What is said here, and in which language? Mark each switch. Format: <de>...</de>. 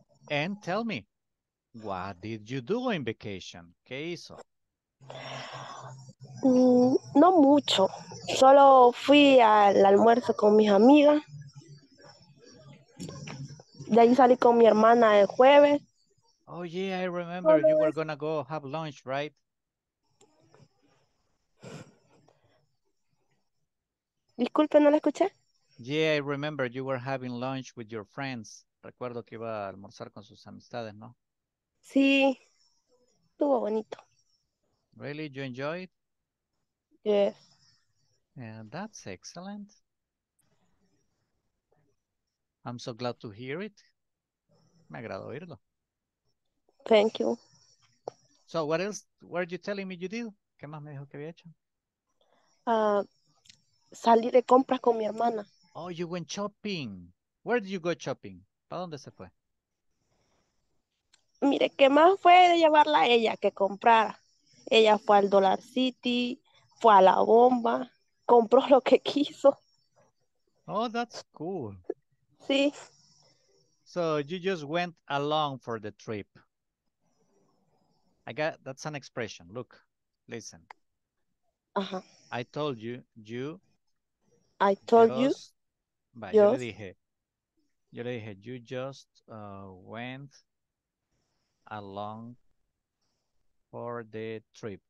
<en>And tell me, what did you do in vacation?</en> <es>¿Qué hizo? No mucho, solo fui al almuerzo con mis amigas, de ahí salí con mi hermana el jueves.</es> <en>Oh yeah, I remember you were gonna go have lunch, right?</en> <es>Disculpe, no la escuché.</es> <en>Yeah, I remember you were having lunch with your friends.</en> <es>Recuerdo que iba a almorzar con sus amistades, ¿no? Sí, estuvo bonito.</es> <en>Really, you enjoyed? Yes. Yeah, that's excellent. I'm so glad to hear it.</en> <es>Me agrado oírlo.</es> <en>Thank you. So what else were you telling me you did?</en> <es>¿Qué más me dijo que había hecho? Salí de compras con mi hermana.</es> <en>Oh, you went shopping. Where did you go shopping?</en> <es>¿Para dónde se fue? Mire, ¿qué más fue de llevarla a ella que comprar? Ella fue al Dollar City. Fue a la bomba, compró lo que quiso.</es> <en>Oh, that's cool.</en> <es>Sí.</es> <en>So you just went along for the trip. I got, that's an expression. Look, listen. Uh-huh. I told you, you. I told just, you. Va, just,</en> <es>yo le dije,</es> <en>you just went along for the trip.</en>